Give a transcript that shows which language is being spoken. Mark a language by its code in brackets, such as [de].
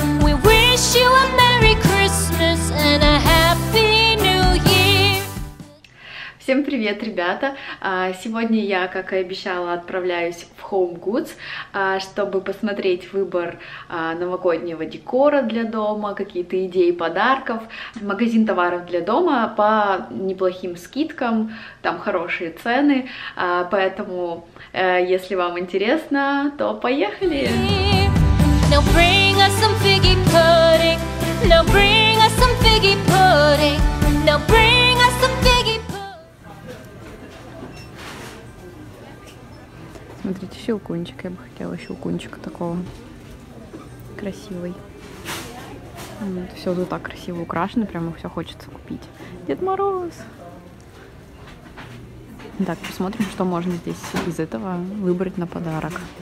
[en] We wish you a Merry Christmas and a Happy New Year. [ru] Всем привет, ребята! Сегодня я, как и обещала, отправляюсь в Home Goods, чтобы посмотреть выбор новогоднего декора для дома, какие-то идеи подарков, магазин товаров для дома по неплохим скидкам, там хорошие цены, поэтому, если вам интересно, то поехали! [en] Now bring us some figgy pudding. Now bring us some figgy pudding. Now bring us some figgy pudding. [ru] Смотрите, щелкунчик. Я бы хотела щелкунчик такого. Красивый. Вот, все тут так красиво украшено. Прямо все хочется купить. Дед Мороз. Так, посмотрим, что можно здесь из этого выбрать на подарок.